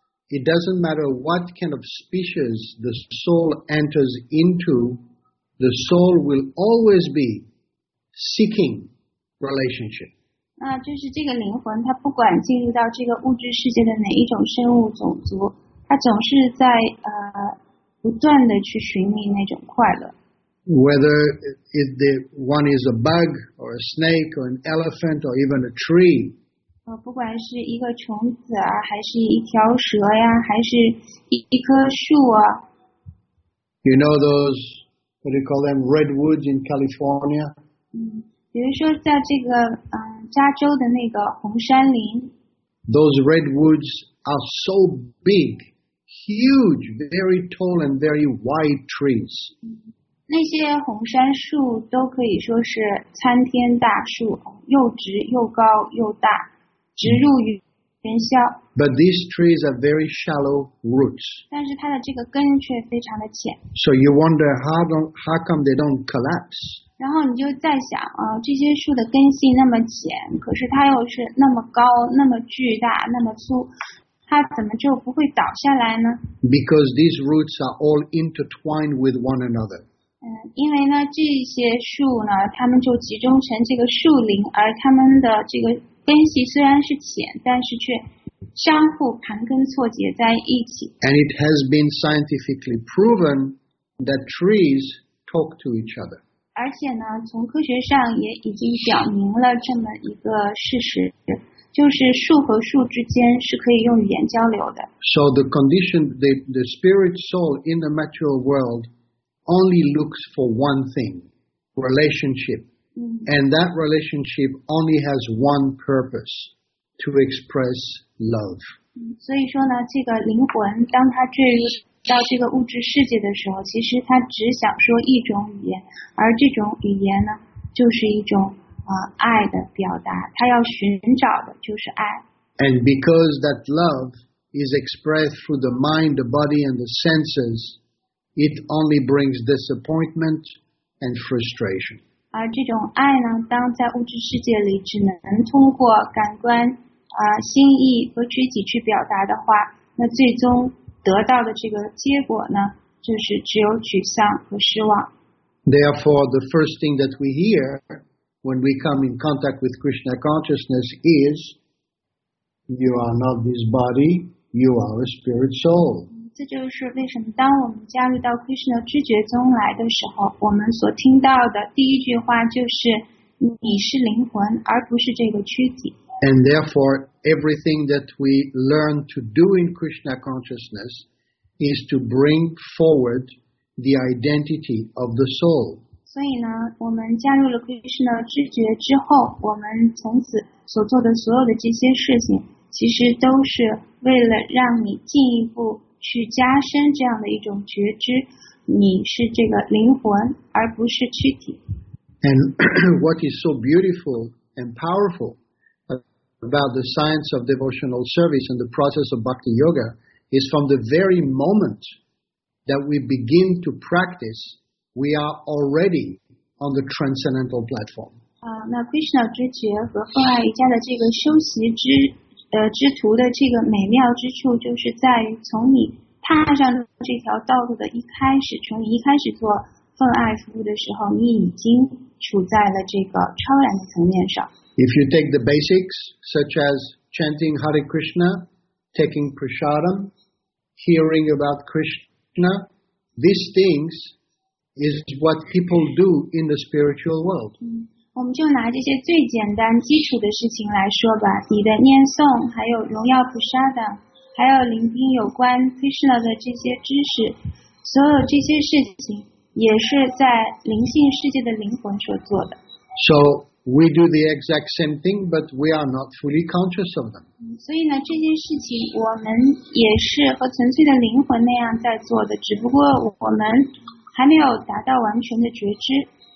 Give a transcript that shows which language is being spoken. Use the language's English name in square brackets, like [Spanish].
[English] It doesn't matter what kind of species the soul enters into, the soul will always be seeking relationship. [Chinese] 那就是这个灵魂，它不管进入到这个物质世界的哪一种生物种族，它总是在不断的去寻觅那种快乐。 [English] Whether it, the one is a bug or a snake or an elephant or even a tree. [Chinese] 不管是一个虫子啊，还是一条蛇呀，还是一棵树啊。 [English] You know those, what do you call them, redwoods in California? [Chinese] 比如说在这个加州的那个红杉林。 [English] Those redwoods are so big, huge, very tall and very wide trees. [Chinese] 那些红杉树都可以说是参天大树，又直又高又大，直入云霄。 [English] But these trees are very shallow roots. [Chinese] 但是它的这个根却非常的浅。 [English] So you wonder how come they don't collapse? [Chinese] 然后你就在想啊，这些树的根系那么浅，可是它又是那么高、那么巨大、那么粗，它怎么就不会倒下来呢？ [English] Because these roots are all intertwined with one another. [Chinese] 因为呢，这些树呢，它们就集中成这个树林，而它们的这个根系虽然是浅，但是却相互盘根错节在一起。 [English] And it has been scientifically proven that trees talk to each other. [Chinese] 而且呢，从科学上也已经表明了这么一个事实，就是树和树之间是可以用语言交流的。 [English] So the condition, the spirit soul in the material world. Only looks for one thing, relationship. And that relationship only has one purpose, to express love. [Chinese] 所以说呢，这个灵魂当它坠入到这个物质世界的时候，其实它只想说一种语言，而这种语言呢，就是一种爱的表达。它要寻找的就是爱。 [English] And because that love is expressed through the mind, the body, and the senses,It only brings disappointment and frustration. [Chinese] 而这种爱呢，当在物质世界里只能通过感官、心意和肢体去表达的话，那最终得到的这个结果呢，就是只有沮丧和失望。 [English] Therefore, the first thing that we hear when we come in contact with Krishna consciousness is, "You are not this body. You are a spirit soul." [Chinese] 这就是为什么当我们加入到 Krishna 知觉中来的时候，我们所听到的第一句话就是你是灵魂而不是这个躯体。 [English] And therefore, everything that we learn to do in Krishna consciousness is to bring forward the identity of the soul. [Chinese] 所以呢，我们加入了 Krishna 知觉之后，我们从此所做的所有的这些事情，其实都是为了让你进一步去加深这样的一种觉知，你是这个灵魂而不是躯体。 [English] And what is so beautiful and powerful about the science of devotional service and the process of bhakti yoga is from the very moment that we begin to practice, we are already on the transcendental platform. [Chinese] 那 Krishna 之觉和奉爱瑜伽的这个修习之之途的这个美妙之处，就是在于从你踏上这条道路的一开始，从你一开始做奉爱服务的时候，你已经处在了这个超然的层面上。 [English] If you take the basics, such as chanting Hare Krishna, taking prasadam, hearing about Krishna, these things is what people do in the spiritual world. [Chinese] 我们就拿这些最简单基础的事情来说吧，你的念诵，还有荣耀菩萨的，还有聆听有关 Krishna 的这些知识，所有这些事情也是在灵性世界的灵魂所做的。 [English] So we do the exact same thing, but we are not fully conscious of them. [Chinese] 所以呢，这些事情我们也是和纯粹的灵魂那样在做的，只不过我们还没有达到完全的觉知。